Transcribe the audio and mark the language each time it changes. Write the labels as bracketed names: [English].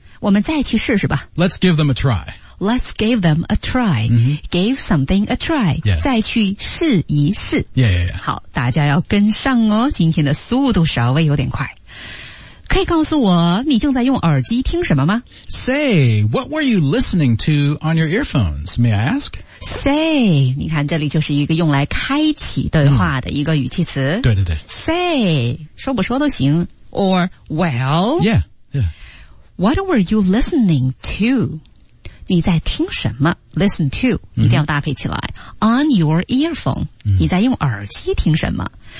[Chinese] 我们再去试试吧。 [English] Let's give them a try. Let's give them a try.、 Mm-hmm. Give something a try.、 Yeah. [Chinese] 再去试一试。 [English] Yeah, yeah, yeah. [Chinese] 好，大家要跟上哦，今天的速度稍微有点快。可以告诉我你正在用耳机听什么吗？ [English] Say, what were you listening to on your earphones, may I ask? [Chinese] Say, 你看这里就是一个用来开启对话的一个语气词。嗯、对对对。 Say, 说不说都行。 [English] Or, well. Yeah, yeah. What were you listening to? [Chinese] 你在听什么？ Listen to, 一定要搭配起来。Mm-hmm. [English] On your earphone,、 [Chinese] 嗯、你在用耳机听什么？